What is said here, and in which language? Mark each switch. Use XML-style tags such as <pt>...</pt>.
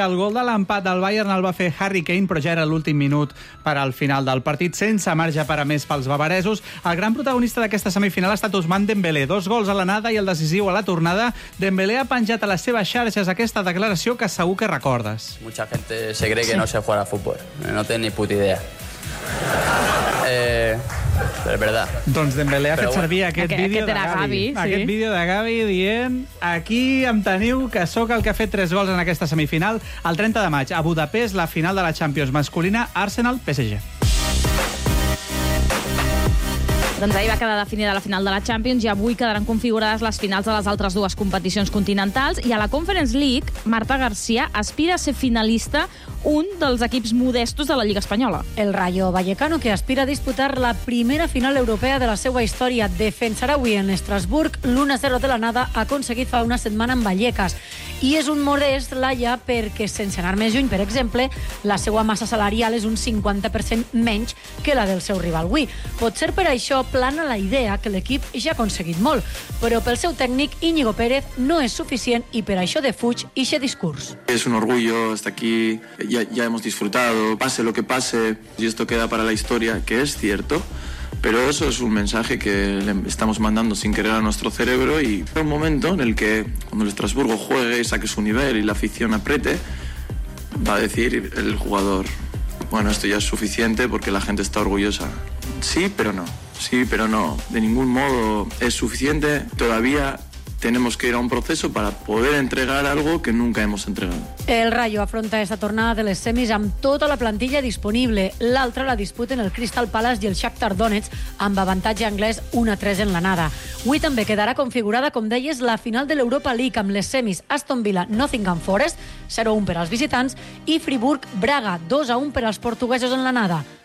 <ca>El gol de l'empat del Bayern el va fer Harry Kane, però ja era l'últim minut per al final del partit, sense marge per a més pels bavaresos. El gran protagonista d'aquesta semifinal ha estat Ousmane Dembélé. Dos gols a l'anada i el decisiu a la tornada. Dembélé ha penjat a les seves xarxes aquesta declaració que segur que recordes.</ca> <es>Mucha gente se cree que no se juega a fútbol. No tengo ni puta idea. Pero es verdad.</es> <ca>Doncs Dembélé ha fet servir aquest vídeo de Gavi. Aquest vídeo de Gavi dient: aquí em teniu, que sóc el que ha fet 3 gols en aquesta semifinal. El 30 de maig, a Budapest, la final de la Champions masculina, Arsenal-PSG. Doncs ahir va quedar definida la final de la Champions i avui quedaran configurades les finals de les altres dues competicions continentals. I a la Conference League, Marta García aspira a ser finalista un dels equips modestos de la Lliga Espanyola. El Rayo Vallecano, que aspira a disputar la primera final europea de la seva història, defensarà avui en Estrasburg l'1-0 de l'anada aconseguit fa una setmana en Vallecas. I és un modest, Laia, perquè sense anar més lluny, per exemple, la seva massa salarial és un 50% menys que la del seu rival avui. Potser per això plana la idea que l'equip ja ha aconseguit molt, però pel seu tècnic Íñigo Pérez no és suficient i per això defuig ixe discurs. És un orgull estar aquí,</ca> <es>ja hemos disfrutado, pase lo que pase, y esto queda para la historia, que es cierto, pero eso es un mensaje que le estamos mandando sin querer a nuestro cerebro, y es un momento en el que cuando el Estrasburgo juegue y saque su nivel y la afición apriete, va a decir el jugador: bueno, esto ya es suficiente porque la gente está orgullosa. Sí, pero no. Sí, pero no, de ningún modo es suficiente. Todavía tenemos que ir a un proceso para poder entregar algo que nunca hemos entregado.</es> <ca>El Rayo afronta esta tornada de les semis amb tota la plantilla disponible. L'altra la disputen el Crystal Palace i el Shakhtar Donetsk, amb avantatge anglès 1-3 en l'anada. Avui també quedarà configurada, com deies, la final de l'Europa League amb les semis Aston Villa Nottingham Forest, 0-1 per als visitants, i Friburg-Braga, 2-1 per als portuguesos en l'anada.</ca>